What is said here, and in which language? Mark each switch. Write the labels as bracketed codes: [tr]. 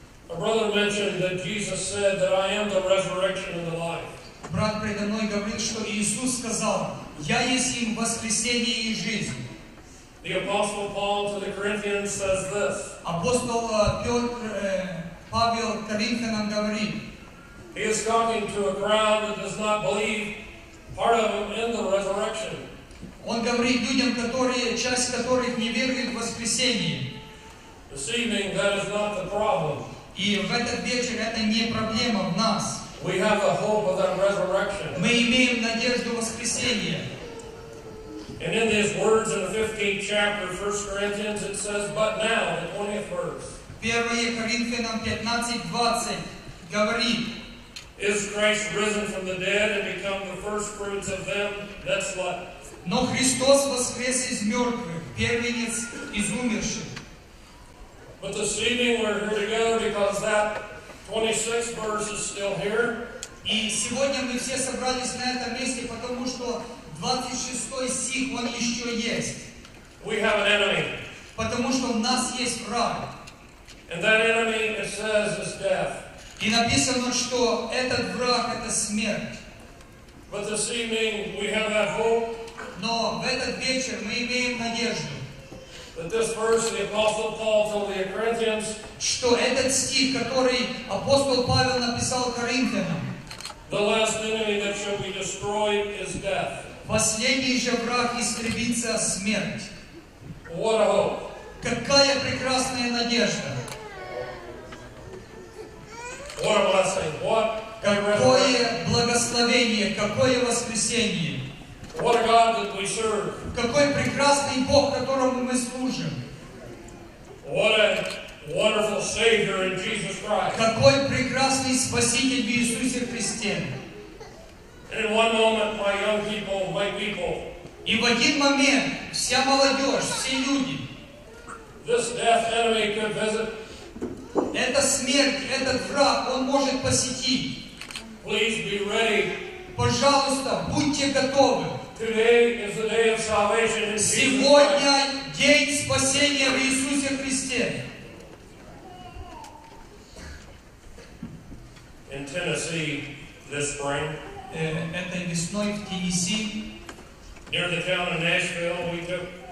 [en] A brother mentioned that Jesus said that I am the resurrection and the life. [ru] Брат предо мной говорит, что Иисус сказал, я есть им воскресение и жизнь. [en] The Apostle Paul to the Corinthians says this. [ru] Апостол Павел Коринфянам говорит. [en] He is talking to a crowd that does not believe, part of them in the resurrection. [ru] Он говорит людям, которые часть которых не верит в воскресение. [en] This evening, that is not the problem. [ru] И в этот вечер это не проблема в нас. [en] We have a hope of that resurrection. [ru] Мы имеем надежду воскресения. [en] And in these words in the 15th chapter, 1 Corinthians, it says, but now, the 20th verse. [ru] 1 Corinthians 15:20 говорит, [en] is Christ risen from the dead and become the first fruits of them that slept? [ru] Но Христос воскрес из мертвых, первенец из умерших. [en] But this evening we're here together because that 26th verse is still here. [ru] И сегодня мы все собрались на этом месте, потому что 26 стих, он еще есть. [en] We have an enemy. [ru] Потому что у нас есть враг. [en] And that enemy, it says, is death. [ru] И написано, что этот враг – это смерть. [en] But this evening, we have that hope. [ru] Но в этот вечер мы имеем надежду. [en] That this verse, the Apostle Paul told the Corinthians. [ru] Что этот стих, который апостол Павел написал Коринфянам. [en] The last enemy that shall be destroyed is death. [ru] Последний же враг истребится смерть. [en] What a hope. [ru] Какая прекрасная надежда. [en] What a blessing. What a [ru] какое благословение, какое воскресение. [en] What a God that we serve. [ru] Какой прекрасный Бог, которому мы служим. [en] What a wonderful Savior in Jesus Christ. [ru] Какой прекрасный Спаситель в Иисусе Христе. [en] And in one moment, my young people, my people. [ru] И в один момент вся молодежь, все люди. [en] This death enemy could visit. [ru] Эта смерть, этот враг, он может посетить. [en] Please be ready. [ru] Пожалуйста, будьте готовы. [en] Today is the day of salvation in Jesus Christ. [ru] Сегодня день спасения в Иисусе Христе. [en] In Tennessee this spring. [ru] Этой весной в Теннесси, [en] near the town of Nashville, we took.